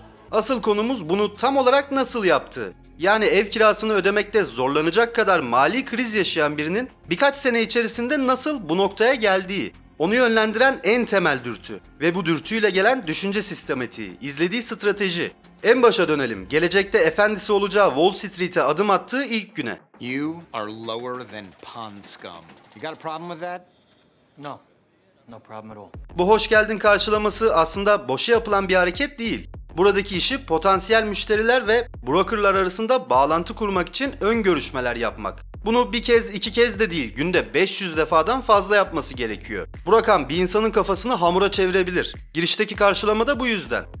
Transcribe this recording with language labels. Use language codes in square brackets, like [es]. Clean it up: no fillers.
[tr] Asıl konumuz bunu tam olarak nasıl yaptı? Yani ev kirasını ödemekte zorlanacak kadar mali kriz yaşayan birinin birkaç sene içerisinde nasıl bu noktaya geldiği. Onu yönlendiren en temel dürtü ve bu dürtüyle gelen düşünce sistematiği, izlediği strateji. En başa dönelim, gelecekte efendisi olacağı Wall Street'e adım attığı ilk güne. [en] You are lower than pond scum. You got a problem with that? No. No problem at all. [tr] Bu hoş geldin karşılaması aslında boşa yapılan bir hareket değil. Buradaki işi potansiyel müşteriler ve brokerlar arasında bağlantı kurmak için ön görüşmeler yapmak. Bunu bir kez iki kez de değil günde 500 defadan fazla yapması gerekiyor. Bu rakam bir insanın kafasını hamura çevirebilir. Girişteki karşılama da bu yüzden.